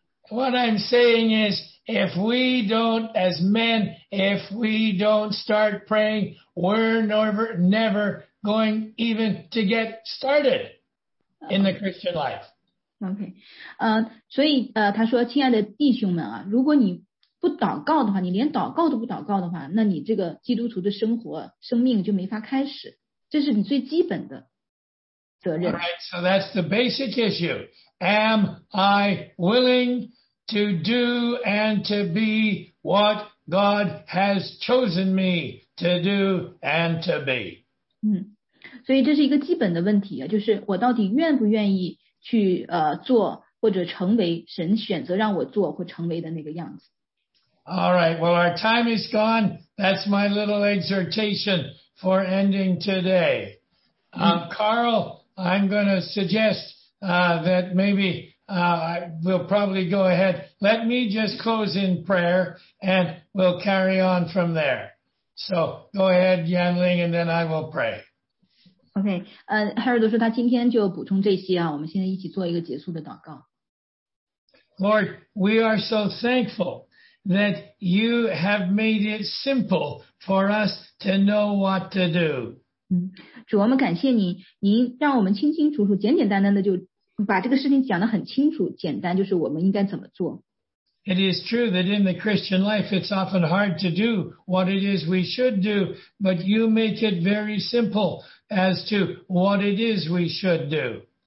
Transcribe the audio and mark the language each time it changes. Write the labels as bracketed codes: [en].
[en] What I'm saying is, if we don't, as men, if we don't start praying, we're never going even to get started in the Christian life. Okay. [zh] 所以他说，亲爱的弟兄们啊，如果你不祷告的话，你连祷告都不祷告的话，那你这个基督徒的生活，生命就没法开始。这是你最基本的责任。 [en] All right, so that's the basic issue. Am I willing? To do and to be what God has chosen me to do and to be. [zh] 所以这是一个基本的问题啊，就是我到底愿不愿意去做或者成为神选择让我做或成为的那个样子。 [en] All right, well, our time is gone. That's my little exhortation for ending today. Carl, I'm going to suggest that maybe we'll probably go ahead. Let me just close in prayer and we'll carry on from there. So go ahead, Yanling, and then I will pray. [zh] Okay, Harold说他今天就补充这些啊，我们现在一起做一个结束的祷告。 [en] Lord, we are so thankful that you have made it simple for us to know what to do. [zh] 主，我们感谢你，您让我们清清楚楚、简简单单的就把这个事情讲得很清楚、简单，就是我们应该怎么做。 [en] It is true that in the Christian life, it's often hard to do what it is we should do, but you make it very simple as to what it is we should do.